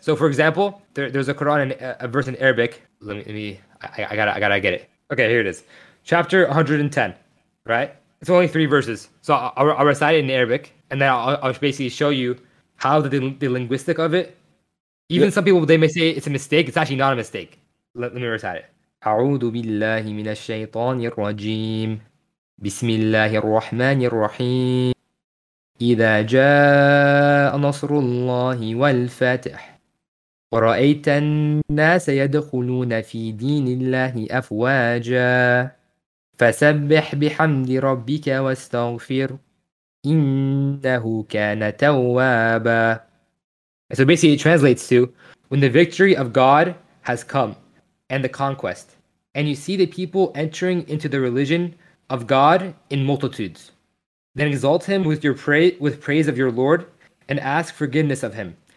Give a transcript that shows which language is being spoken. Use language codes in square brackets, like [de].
[en] So for example, there's a Quran and a verse in Arabic. I gotta get it. Okay, here it is. Chapter 110, right? It's only three verses. So I'll recite it in Arabic, and then I'll basically show you how the linguistic of it. Even some people, they may say it's a mistake. It's actually not a mistake. Let me recite it. [ar] أعوذ بالله من الشيطان الرجيم بسم الله الرحمن الرحيم إذا جاء نصر الله والفتح ورأيت الناس يدخلون في دين الله أفواجا فسبح بحمد ربك واستغفر إنه كان توابا. [en] So basically it translates to, when the victory of God has come and the conquest, and you see the people entering into the religion of God in multitudes, then exalt him with your praise of your Lord and ask forgiveness of him.